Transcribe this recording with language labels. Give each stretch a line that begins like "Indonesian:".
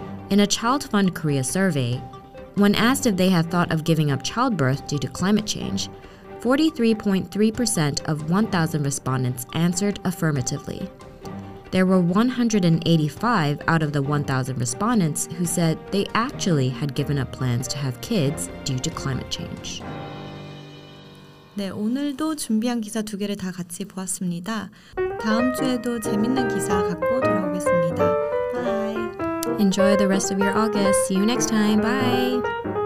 English: In a Child Fund Korea survey, when asked if they had thought of giving up childbirth due to climate change, 43.3% of 1,000 respondents answered affirmatively. There were 185 out of the 1,000 respondents who said they actually had given up plans to have kids due to climate change.
Korean: 네, 오늘도 준비한 기사 두 개를 다 같이 보았습니다. 다음 주에도 재밌는 기사 갖고 돌아오겠습니다. Bye!
English: Enjoy the rest of your August. See you next time. Bye!